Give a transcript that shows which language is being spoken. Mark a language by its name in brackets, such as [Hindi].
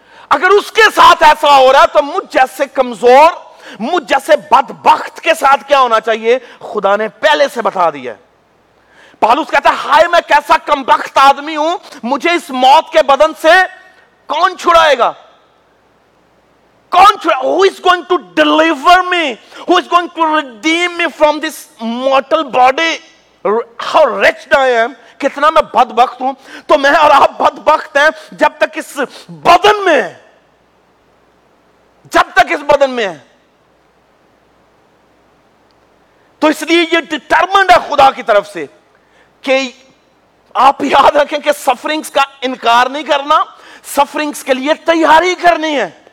[Urdu] اگر اس کے ساتھ ایسا ہو رہا ہے تو مجھ جیسے کمزور، مجھ جیسے بدبخت کے ساتھ کیا ہونا چاہیے؟ خدا نے پہلے سے بتا دیا ہے. پالوس کہتا ہے ہائے میں کیسا کمبخت آدمی ہوں، مجھے اس موت کے بدن سے کون چھڑائے گا؟ کون چھڑائے؟ [English] Who is going to deliver me? Who is going to redeem me from this mortal body? How wretched I am. [Urdu] کتنا میں بدبخت ہوں. تو میں اور آپ بدبخت ہیں جب تک اس بدن میں، جب تک اس بدن میں ہے. تو اس لیے یہ ڈٹرمنڈ ہے خدا کی طرف سے کہ آپ یاد رکھیں کہ سفرنگز کا انکار نہیں کرنا، سفرنگز کے لیے تیاری کرنی ہے.